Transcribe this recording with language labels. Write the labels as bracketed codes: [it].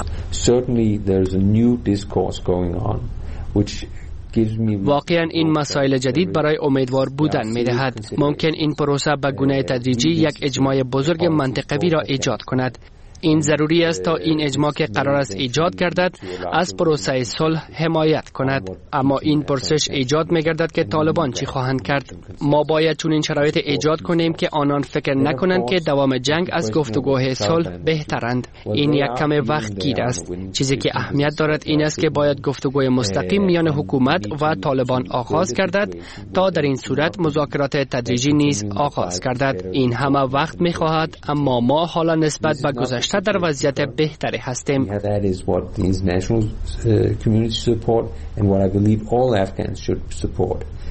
[en] Certainly there is a new discourse going on which [fa] واقعا این مسائل جدید برای امیدوار بودن می دهد. ممکن این پروسه به گونه تدریجی یک اجماع بزرگ منطقوی را ایجاد کند. این ضروری است تا این اجماع که قرار است ایجاد گردد از پروسه صلح حمایت کند، اما این پرسش ایجاد می‌گردد که طالبان چی خواهند کرد. ما باید چنین شرایط ایجاد کنیم که آنان فکر نکنند که دوام جنگ از گفتگوه صلح بهترند. این یک کم وقت گیر است. چیزی که اهمیت دارد این است که باید گفتگوی مستقیم میان حکومت و طالبان آغاز گردد تا در این صورت مذاکرات تدریجی نیز آغاز گردد. این همه وقت می‌خواهد، اما ما حالا نسبت به گذشته تا در وضعیت بهتری هستیم. [en] That is what the international community support and what I believe all Afghans should support.